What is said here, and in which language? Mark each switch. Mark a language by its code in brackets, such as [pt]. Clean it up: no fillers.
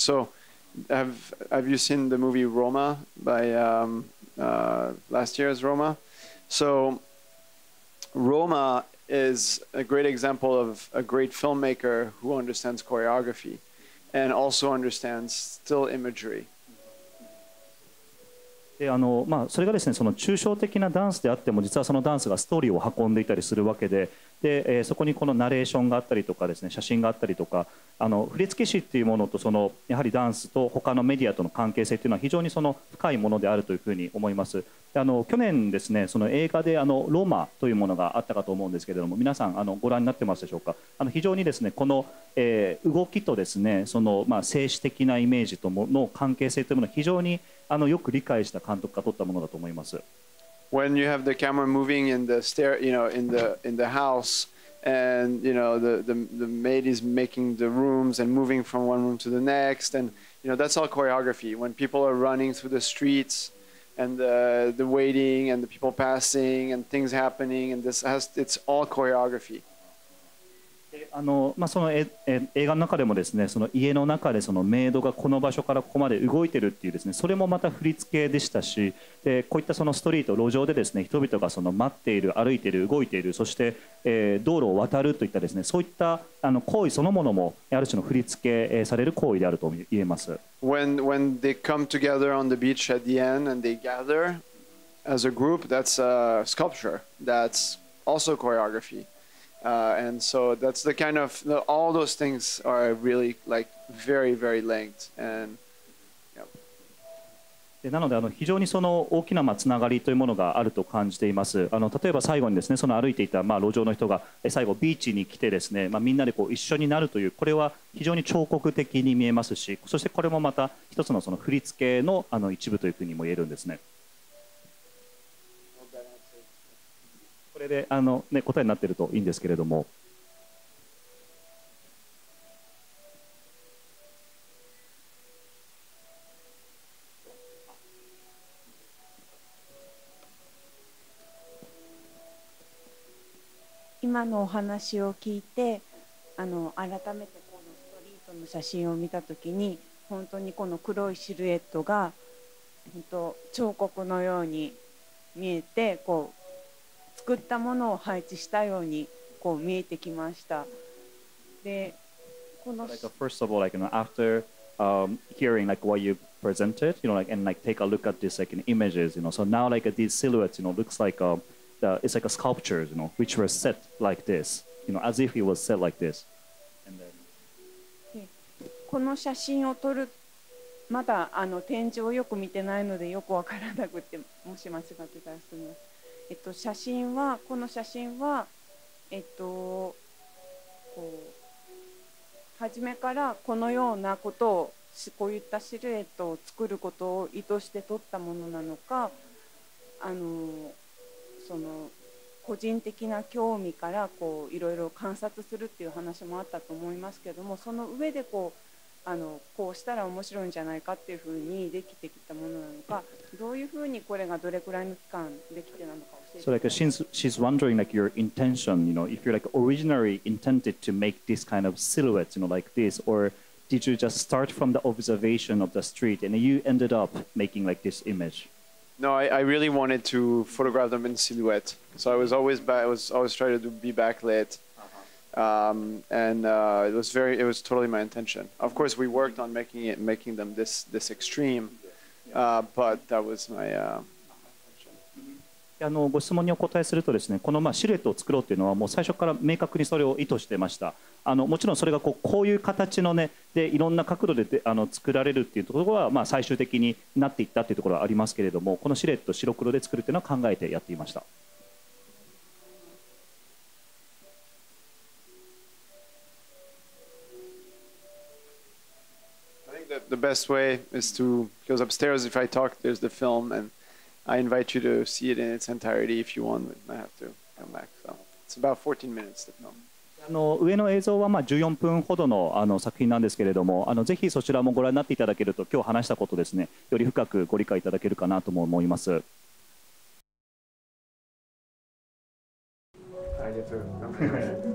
[en] SoHave you seen the movie Roma by last year's Roma? So Roma is a great example of a great filmmaker who understands choreography and also understands still imagery. [ja] であのまあ、それがですね、その抽象的なダンスであっても実はそのダンスがストーリーを運んでいたりするわけ で、そこにこのナレーションがあったりとかですね、写真があったりとか、あの振付師っていうものとそのやはりダンスと他のメディアとの関係性っていうのは非常にその深いものであるというふうに思います。であの去年ですね、その映画であのローマというものがあったかと思うんですけれども、皆さんあのご覧になってますでしょうか。あの非常にですね、この、動きとですね、その、まあ、静止的なイメージとの関係性というものは非常にあのよく理解した監督が撮ったものだと思います。 [en] When you have the camera moving in the stair, you know, in the house, and you know, the maid is making the rooms and moving from one room to the next, and you know, that's all choreography. When people are running through the streets and the waiting and the people passing and things happening, and this has, it's all choreography. [ja] あのまあ、その映画の中でもですね、その家の中でそのメイドがこの場所からここまで動いてるっていうですね、それもまた振り付けでしたし、でこういったそのストリート路上でですね、人々がその待っている、歩いている、動いている、そして、道路を渡るといったですね、そういったあの行為そのものもある種の振り付けされる行為であると言えます。 [en] when they come together on the beach at the end and they gather as a group, that's a sculpture, that's also choreographyand so that's the kind of the, all those things are really like very very linked and [ja] でなので、あの非常にその大きなつながりというものがあると感じています。あの例えば最後にですね、その歩いていたまあ路上の人が最後ビーチに来てですね、まあみんなでこう一緒になるという、これは非常に彫刻的に見えますし、そしてこれもまた一つのその振り付けのあの一部というふうにも言えるんですね。これであの、ね、答えになっているといいんですけれども、今のお話を聞いて、あの改めてこのストリートの写真を見たときに、本当にこの黒いシルエットが本当彫刻のように見えて、こう作ったものを配置したようにこう見えてきました。で、この [en] like, first of all, like, you know, after hearing like what you presented, you know, like, and like take a look at these like, images, you know, so now like these silhouettes, you know, looks like it's like a sculpture, you know, which were set like this, you know, as if it was set like this. And then... [ja] この写真を撮る、まだあの天井をよく見てないのでよくわからなくて、もし間違ってたらすみません。写真はこの写真は、こう初めからこのようなことをこういったシルエットを作ることを意図して撮ったものなのか、その個人的な興味からこういろいろ観察するっていう話もあったと思いますけども、その上でこうあのこうしたら面白いんじゃないかっていうふうにできてきたものなのか、どういうふうにこれがどれくらいの期間できてなのか。 [en] So like she's wondering like your intention, you know, if you're like originally intended to make this kind of silhouette, you know, like this, or did you just start from the observation of the street and you ended up making like this image? No, I really wanted to photograph them in silhouette. So I was always trying to be backlit. It was totally my intention. Of course, we worked on making them this extreme, but that was my... [ja] あのご質問にお答えするとですね、このまあシルエットを作ろうというのはもう最初から明確にそれを意図していました。あのもちろんそれがこういう形のね、でいろんな角度 であの作られるというところはまあ最終的になっていったというところはありますけれども、このシルエット白黒で作るというのは考えてやっていました。 [en] I think that the best way is to, because upstairs if I talk there's the film andI invite you to see it in its entirety if you want. I have to come back. So it's about 14 minutes. The film. [ja] あの上の映像はまあ14分ほどの あの作品なんですけれども、あのぜひそちらもご覧になっていただけると、今日話したことですね、より深くご理解いただけるかなとも思います。ありがとうございました。